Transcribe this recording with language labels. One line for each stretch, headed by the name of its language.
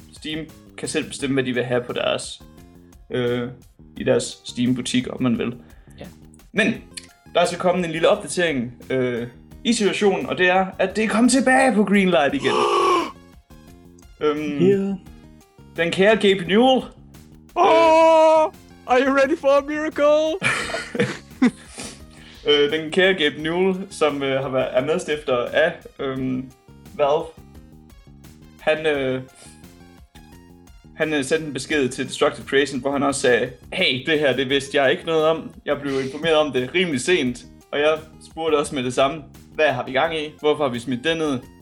Danish: Steam kan selv bestemme, hvad de vil have på deres i deres Steam-butik, om man vil. Ja. Men der er så kommet en lille opdatering i situationen, og det er, at det er kommet tilbage på Greenlight igen. Den kære Gabe Newell.
English: Are you ready for a miracle?
Danish: Den kære Gabe Newell, som er medstifter af Valve. Han sendte en besked til Destructive Creation, hvor han også sagde, hey, det her, det vidste jeg ikke noget om. Jeg blev informeret om det rimelig sent. Og jeg spurgte også med det samme, hvad har vi gang i? Hvorfor har vi smidt den ned?